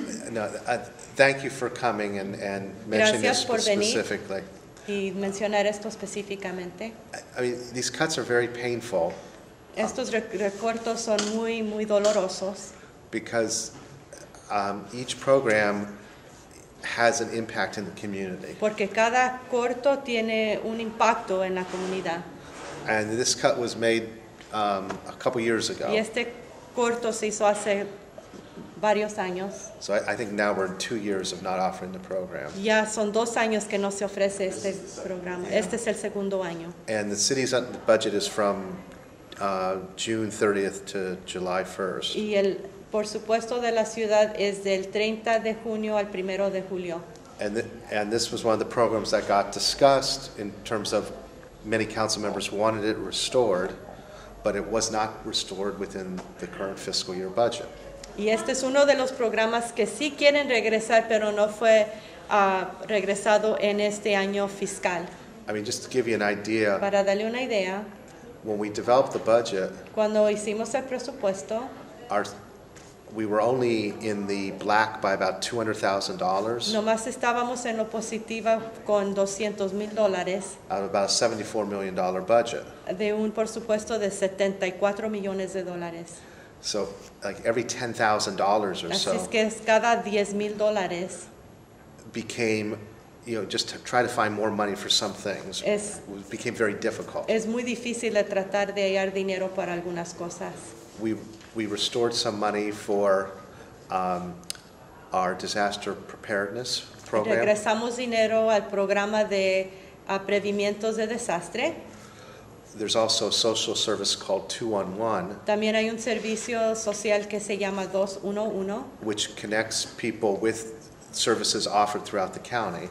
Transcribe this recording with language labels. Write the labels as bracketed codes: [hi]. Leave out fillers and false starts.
[en] No, thank you for coming and mentioning this specifically. [es] Y mencionar esto específicamente. [en] I mean, these cuts are very painful. [es] Estos recortes son muy, muy dolorosos. [en] Because each program has an impact in the community. [es] Porque cada corto tiene un impacto en la comunidad. [en] And this cut was made a couple years ago. [es] Y este corto se hizo hace varios años. [en] So I think now we're 2 years of not offering the program. [es] Ya son dos años que no se ofrece este programa. Yeah. Este es el segundo año. [en] And the city's budget is from June 30th to July 1st. [es] Y el presupuesto de la ciudad es del 30 de junio al 1 de julio. [en] And this was one of the programs that got discussed in terms of many council members wanted it restored, but it was not restored within the current fiscal year budget. [es] Y este es uno de los programas que sí quieren regresar, pero no fue regresado en este año fiscal. [en] I mean, just to give you an idea. [es] Para darle una idea. [en] When we developed the budget, [es] cuando hicimos el presupuesto, [en] we were only in the black by about $200,000. [es] Nomás estábamos en lo positivo con $200,000. [en] Out of about a $74 million budget. [es] De un presupuesto de $74 millones. [en] So, like every $10,000 or so. [es] Así es que es cada $10,000. [en] Became, you know, just to try to find more money for some things became very difficult. [es] Es muy difícil tratar de hallar dinero para algunas cosas. [en] We restored some money for our disaster preparedness program. [es] Regresamos dinero al programa de previmientos de desastre. [en] There's also a social service called 211. [es] También hay un servicio social que se llama 211. [en] Which connects people with services offered throughout the county.